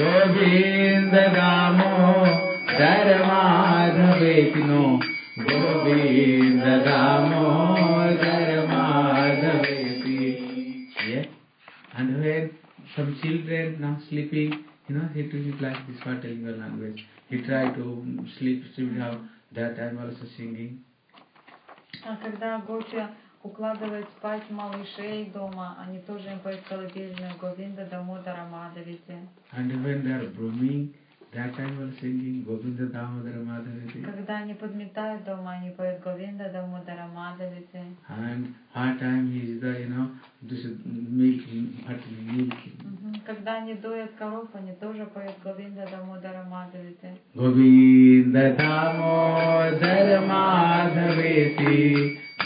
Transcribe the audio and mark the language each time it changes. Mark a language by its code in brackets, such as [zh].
[sa] Govinda Damo Dharmadhaveti no Govinda Damo Dharmadhaveti. Yeah. [en] And when some children now sleeping, you know, he took it like this for telling your language. He tried to sleep somehow, that I'm also singing. [ru] Когда Гопи укладывает спать малышей дома, они тоже им поют колыбельную [sa] Говинда Дамо Дарамадхавити. [en] And when they are brooming, that time we are singing [sa] Govinda Damo Dharmadhaviti. [ru] Когда они подметают дома, они поют [sa] Говинда Дамо Дарамадхавити. [en] And hard time is the, you know, this milking, butting, milking. [ru] Когда они доят коров, они тоже поют [sa] Говинда Дамо Дарамадхавити. Говинда Дамо Дарамадхавити.